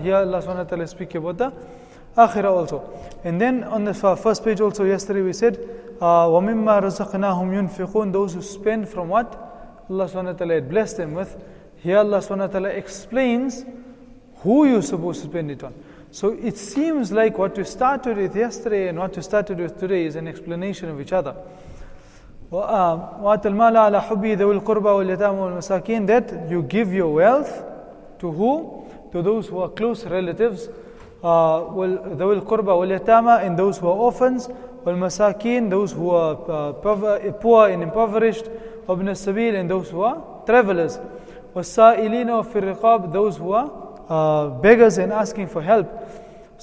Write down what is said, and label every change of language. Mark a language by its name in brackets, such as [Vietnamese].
[English] Here Allah subhanahu wa ta'ala is speaking about the akhirah also. And then on the first page also yesterday we said, [Arabic] وَمِمَّا رَزَقْنَاهُمْ يُنْفِقُونَ, [English] those who spend from what Allah subhanahu wa ta'ala had blessed them with. Here Allah subhanahu wa ta'ala explains who you're supposed to spend it on. So it seems like what we started with yesterday and what we started with today is an explanation of each other. [Arabic] وَآتَ الْمَالَ عَلَى حُبِّي ذَوِ الْقُرْبَى وَالْيَتَامَ وَالْمَسَاكِينَ, [English] that you give your wealth to who? To those who are close relatives, [Arabic] ذَوِ الْقُرْبَى وَالْيَتَامَ, [English] and those who are orphans, [Arabic] وَالْمَسَاكِينَ, [English] those who are poor and impoverished, [Arabic] وَبْنَ السَّبِيلِ, [English] and those who are travelers, [Arabic] وَالسَّائِلِينَ وَفِي الرِّقَابِ, [English] those who are beggars and asking for help.